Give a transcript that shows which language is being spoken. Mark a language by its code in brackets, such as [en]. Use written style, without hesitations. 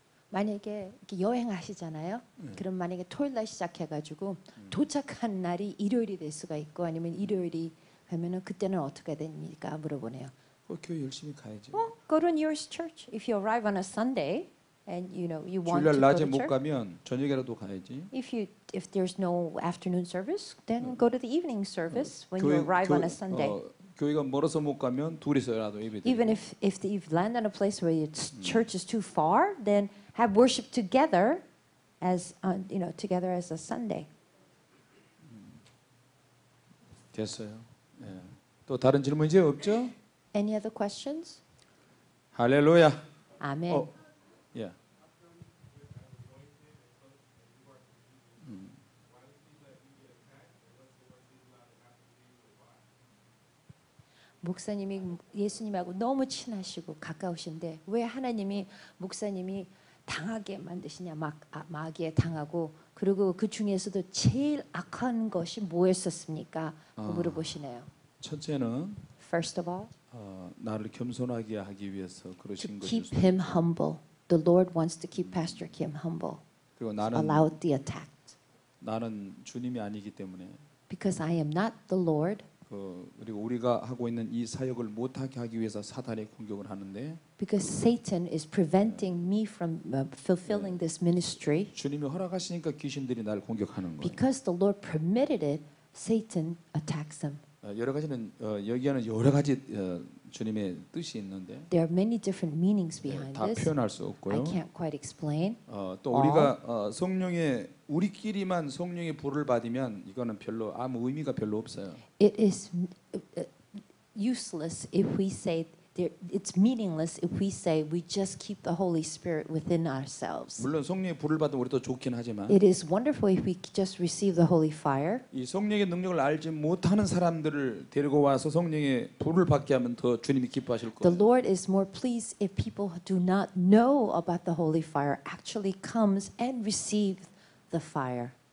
[ko] 만약에 이렇게 여행하시잖아요. 그럼 만약에 토요일 날 시작해가지고 도착한 날이 일요일이 될 수가 있고, 아니면 일요일이 되면은 그때는 어떻게 됩니까? 물어보네요. 교회 열심히 가야죠. [en] Well, go to nearest church if you arrive on a Sunday and you know you want to go to church. [ko] 주일 낮에 못 가면 저녁에라도 가야지. [en] If there's no afternoon service, then go to the evening service when you arrive on a Sunday. [ko] 교회가 멀어서 못 가면 둘이서라도 예배. [en] Even if you land on a place where your church is too far, then have worship together as you know, together as a Sunday. [ko] 됐어요. 예. 또 다른 질문 이제 없죠? [en] Any other questions? [ko] 할렐루야. 아멘. 목사님이 예수님하고 너무 친하시고 가까우신데 왜 하나님이 목사님이 당하게 만드시냐, 막 마귀에 당하고, 그리고 그 중에서도 제일 악한 것이 뭐였었습니까? 물어보시네요. 첫째는 [en] First of all, [ko] 나를 겸손하게 하기 위해서 그러신 것이죠. [en] To keep him humble. The Lord wants to keep Pastor Kim humble. [ko] 그리고 나는 [en] allowed the attack. [ko] 나는 주님이 아니기 때문에 [en] Because I am not the Lord. [ko] 그리고 우리가 하고 있는 이 사역을 못하게 하기 위해서 사단의 공격을 하는데 [en] Because Satan is preventing me from fulfilling this ministry. [ko] 주님이 허락하시니까 귀신들이 나를 공격하는 거예요. [en] Because the Lord permitted it, Satan attacks them. [ko] 여러 가지는 여기에는 여러 가지 주님의 뜻이 있는데 [en] There are many different meanings behind this. [ko] 다 표현할 수 없고요. [en] I can't quite explain. [ko] 또 우리가 성령의 우리끼리만 성령의 불을 받으면 이거는 별로 아무 의미가 별로 없어요. [en] It is useless if we say it's meaningless if we say we just keep the Holy Spirit within ourselves. [ko] 물론 성령의 불을 받으면 우리도 좋긴 하지만 [en] It is wonderful if we just receive the Holy Fire. [ko] 이 성령의 능력을 알지 못하는 사람들을 데리고 와서 성령의 불을 받게 하면 더 주님이 기뻐하실 거예요. [en] The Lord is more pleased if people who do not know about the Holy Fire actually comes and receive the fire.